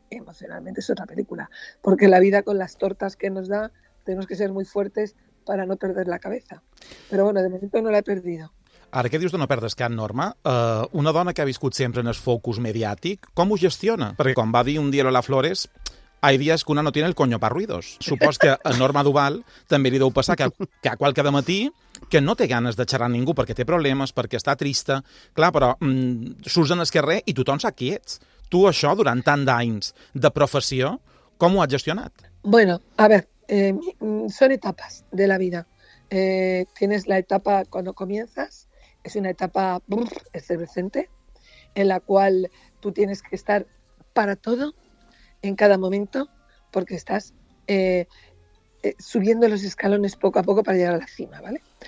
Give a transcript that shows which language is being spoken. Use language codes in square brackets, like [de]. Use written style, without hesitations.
[es] Emocionalmente es otra película, porque la vida con las tortas que nos da, tenemos que ser muy fuertes para no perder la cabeza. Però bueno, de momento no la he perdido. [ca] Ara que dius de no perdes cap, Norma, una dona que ha viscut sempre en el focus mediàtic, com ho gestiona? Perquè com va dir un dia Lola Flores, [es] hay días que una no tiene el coño para ruidos. [ca] Supos que a Norma Duval també li deu passar que a qualque dematí que no té ganes de xerrar ningú perquè té problemes, perquè està trista, clar, però surts en el carrer i tothom sap qui ets. Tu això, durant tant d'anys de professió, com ho has gestionat? [es] Bueno, a ver, son etapas de la vida. Tienes la etapa cuando comienzas, es una etapa efervescente, en la cual tú tienes que estar para todo, en cada momento, porque estás subiendo los escalones poco a poco para llegar a la cima, ¿vale?